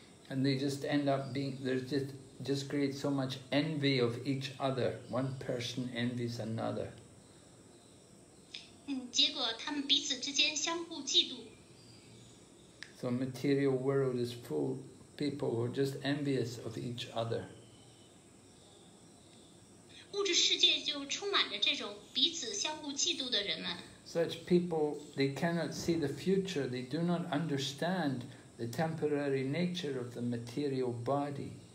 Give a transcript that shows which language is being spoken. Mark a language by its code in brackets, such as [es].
[en] And they just end up being, they just create so much envy of each other. One person envies another. [zh] 结果他们彼此之间相互嫉妒。 [en] So material world is full of people who are just envious of each other. [zh] 物质世界就充满着这种彼此相互嫉妒的人们。 [en] Such people, they cannot see the future. They do not understand the temporary nature of the material body.